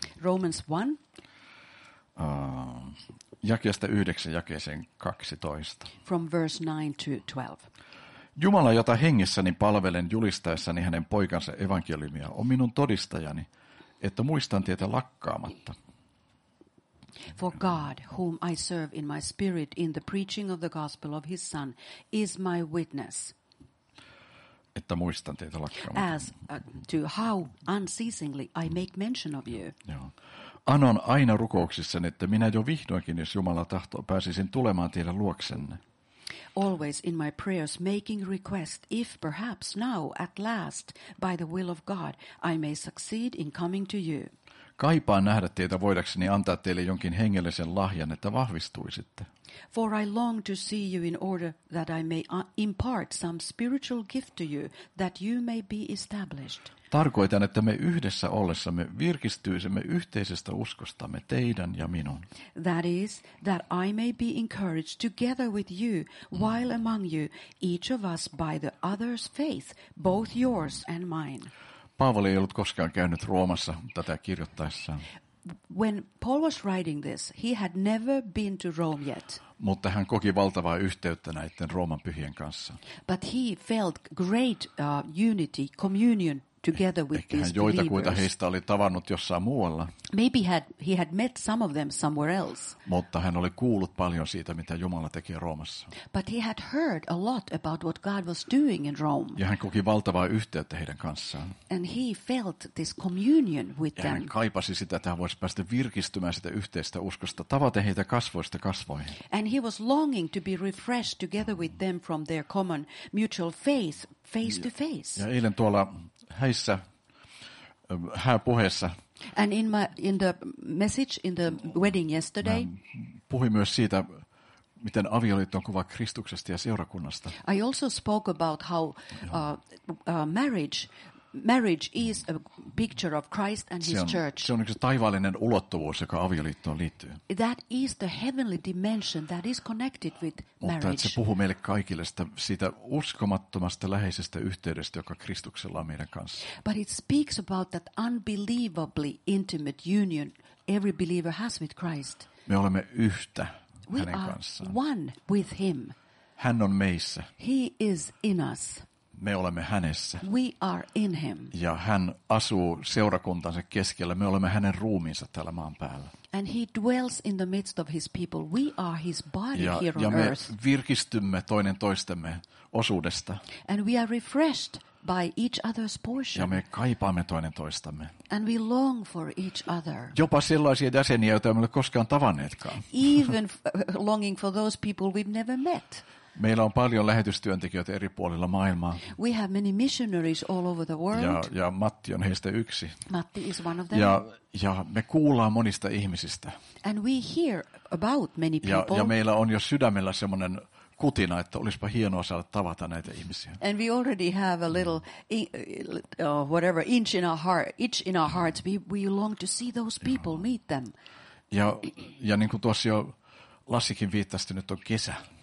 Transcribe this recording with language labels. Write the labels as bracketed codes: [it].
[en] Romans 1. [fi] Jakeesta 9, jakeeseen 12. [en] From verse 9 to 12. [fi] Jumala, jota hengessäni palvelen julistaessani hänen poikansa evankeliumia, on minun todistajani, että muistan tietä lakkaamatta. [en] For God, whom I serve in my spirit in the preaching of the gospel of his son, is my witness. [fi] Että muistan tietä lakkaamatta. [en] As to how unceasingly I make mention of you. [fi] Anon aina rukouksissani, että minä jo vihdoinkin, jos Jumala tahtoo, pääsisin tulemaan teidän luoksenne. [en] Always in my prayers making request if perhaps now at last by the will of God I may succeed in coming to you. [fi] Kaipaan nähdä teitä voidakseni antaa teille jonkin hengellisen lahjan, että vahvistuisitte. [en] For I long to see you in order that I may impart some spiritual gift to you that you may be established. [fi] Tarkoitan, että me yhdessä ollessamme virkistyisimme yhteisestä uskostamme teidän ja minun. [en] That is, that I may be encouraged together with you, while among you, each of us by the other's faith, both yours and mine. [fi] Paavali ei ollut koskaan käynyt Roomassa tätä kirjoittaessaan. [en] When Paul was writing this, he had never been to Rome yet. [fi] Mutta hän koki valtavaa yhteyttä näiden Rooman pyhien kanssa. [en] But he felt great unity, communion. Together with [fi] ehkä hän joitakuita heistä oli tavannut jossain muualla. [en] Maybe he had met some of them somewhere else. [fi] Mutta hän oli kuullut paljon siitä, mitä Jumala tekee Roomassa. [en] But he had heard a lot about what God was doing in Rome. [fi] Ja hän koki valtavaa yhteyttä heidän kanssaan. [en] And he felt this communion with them. [fi] Ja hän kaipasi sitä, että hän voisi päästä virkistymään sitä yhteistä uskosta, tavata heitä kasvoista kasvoihin. [en] And he was longing to be refreshed together with them from their common mutual faith, face to face. [fi] Ja eilen tuolla häissä hääpuheessa. [en] And in the message in the wedding yesterday. [fi] Puhuin myös siitä, miten avioliitto on kuva Kristuksesta ja seurakunnasta. [en] I also spoke about how marriage Marriage is a picture of Christ and his church. [fi] Se on yksi taivaallinen ulottuvuus, joka avioliittoon liittyy. [en] That is the heavenly dimension that is connected with marriage. [fi] Mutta se puhuu meille kaikille siitä uskomattomasta läheisestä yhteydestä, joka Kristuksella on meidän kanssa. [en] But it speaks about that unbelievably intimate union every believer has with Christ. [fi] Me olemme yhtä [en] we [fi] hänen kanssaan. [en] We are one with him. [fi] Hän on meissä. [en] He is in us. [fi] Me olemme hänessä. [en] We are in him. [fi] Ja hän asuu seurakuntansa keskellä. Me olemme hänen ruumiinsa täällä maan päällä. [en] And he dwells in the midst of his people. We are his body [fi] ja, [en] here on earth. [fi] Ja me virkistymme toinen toistemme osuudesta. [en] And we are refreshed by each other's portion. [fi] Ja me kaipaamme toinen toistamme. [en] And we long for each other. [fi] Jopa sellaisia jäseniä, joita emme ole koskaan tavanneetkaan. [en] Even longing for those people we've never met. [fi] Meillä on paljon lähetystyöntekijöitä eri puolilla maailmaa. [en] We have many missionaries all over the world. [fi] Ja Matti on heistä yksi. [en] Matti is one of them. [fi] Ja me kuullaan monista ihmisistä. [en] And we hear about many people. [fi] Ja meillä on jo sydämellä semmoinen kutina, että olisipa hienoa saada tavata näitä ihmisiä. [en] And we already have a little itch in our hearts. We long to see those people, meet them. [fi] Ja niin kuin tuossa jo Lassikin viittasi, nyt on kesä.